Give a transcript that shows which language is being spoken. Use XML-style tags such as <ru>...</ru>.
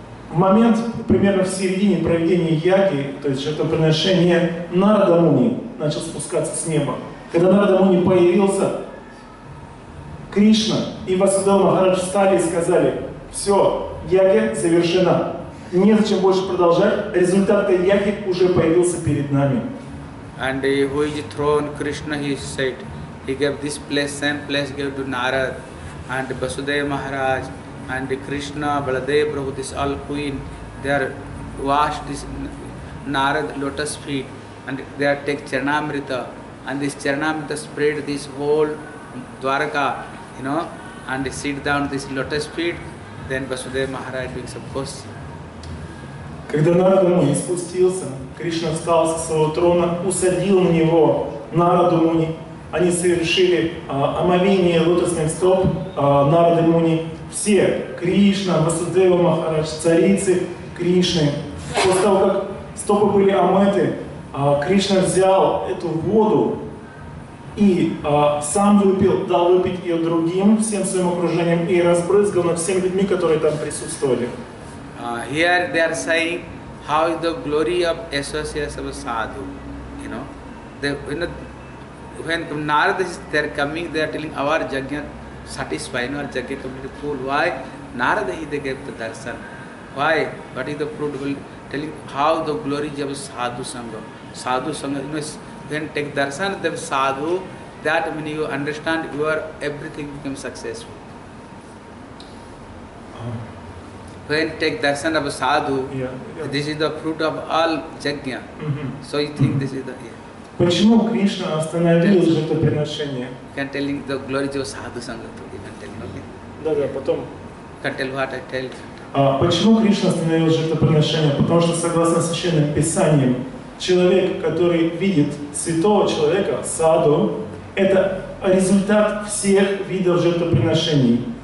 <ru>В момент, примерно в середине проведения яги, то есть жертвоприношения, Нарада Муни начал спускаться с неба. Когда Нарада Муни появился, Кришна и Васудева Махарадж встали и сказали: «Все, яги завершена. Незачем больше продолжать, результат этой яги уже появился перед нами».</ru> <en>And who is thrown, Krishna, he said, he gave this place, same place gave to Narada and Vasudeva Maharaj and Krishna, Baladeva Prabhu, this all queen, they are washed this Narada lotus feet and they are take Charanamrita and this Charanamrita spread this whole Dwaraka, you know, and sit down this lotus feet, then Vasudeva Maharaj being supposed.</en> <ru>Когда Нарада Муни спустился, Кришна встал со своего трона, усадил на него Нараду Муни. Они совершили омовение лотосных стоп Нарады Муни. Все, Кришна, Васудева Махарадж, царицы Кришны. После того, как стопы были омыты, Кришна взял эту воду и сам выпил, дал выпить ее другим, всем своим окружением, и разбрызгал на всем людьми, которые там присутствовали.</ru> <en>Here they are saying, how is the glory of associates of a sadhu, you know. When Narada is there coming, they are telling our jagya satisfying, our jagya completely full. Why? Narada he they gave the darshan. Why? What is the fruitful? Telling how the glory of sadhu sangha. Sadhu sangha, you know, when take darshan of sadhu, that when you understand, your everything becomes successful. When take darshan of a sadhu, this is the fruit of all jagya. So you think this is the...</en> <ru>Почему Кришна остановил жертвоприношение?</ru> <en>Can tell the glory of sadhu sangha. You can tell, okay?</en> <ru>Да, потом.</ru> <en>Can tell what I tell.</en> <ru>Почему Кришна остановил жертвоприношение? Потому что, согласно священным писаниям, человек, который видит святого человека, саду, это результат всех видов жертвоприношений.</ru>